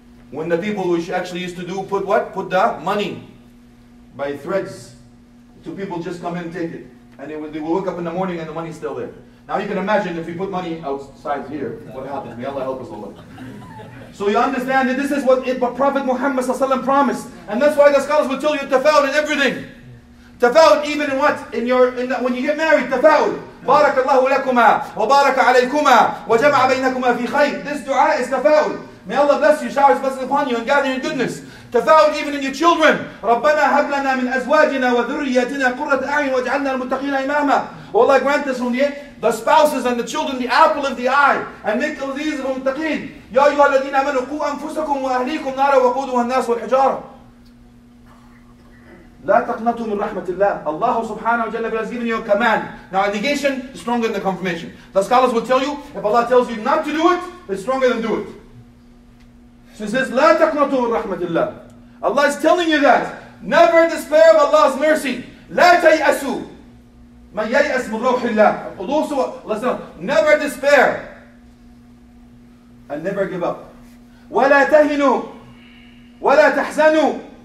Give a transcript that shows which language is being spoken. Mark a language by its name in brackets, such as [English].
[English] When the people who actually used to do put what? Put the money by threads to people just come in and take it. And they will wake up in the morning and the money's still there. Now you can imagine if we put money outside here, what happens? May Allah help us, Allah. So you understand that this is what Prophet Muhammad ﷺ promised. And that's why the scholars will tell you tafawud in everything. Tafawud even in what? When you get married, tafawud. [Arabic] بارك الله لكما وبارك عليكما وجمع بينكما في خير. [English] This dua is tafawud. May Allah bless you, shower His blessing upon you, and gather your goodness. Tafawud even in your children. [Arabic] ربنا هب لنا من أزواجنا وذرياتنا قرة أعين واجعلنا المتقين إماما. [English] Allah grant us from the spouses and the children the apple of the eye, and make all these from [Arabic] المتقين. يا أيها الذين آمنوا قوا أنفسكم وأهليكم نارا وقودها الناس والحجارة. لا تقنطوا من رحمة الله. الله سبحانه وتعالى [English] has given you a command. Now, a negation is stronger than the confirmation. The scholars will tell you, if Allah tells you not to do it, it's stronger than do it. So he says, [Arabic] لا تقنطوا من رحمة الله. [English] Allah is telling you that. Never despair of Allah's mercy. [Arabic] لا تيأسوا. من ييأس من روح الله. [English] Never despair. And never give up. [Arabic] ولا تهنوا. ولا تحزنوا.